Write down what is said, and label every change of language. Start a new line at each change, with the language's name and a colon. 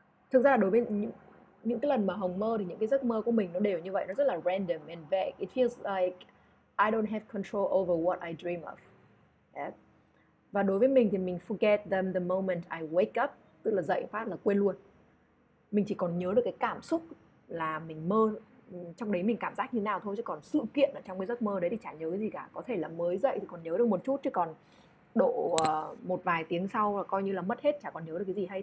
Vietnamese: Thực ra là đối với những cái lần mà Hồng mơ thì những cái giấc mơ của mình nó đều như vậy, nó rất là
English: random and vague. It feels like I don't have control over what I dream of. Yeah.
Vietnamese: Và đối với mình thì mình
English: forget them the moment I wake up,
Vietnamese: tức là dậy phát là quên luôn. Mình chỉ còn nhớ được cái cảm xúc là mình mơ trong đấy mình cảm giác như nào thôi, chứ còn sự kiện ở trong cái giấc mơ đấy thì chả nhớ gì cả. Có thể là mới dậy thì còn nhớ được một chút, chứ còn độ một vài tiếng sau là coi như là mất hết, chả còn nhớ được cái gì hay.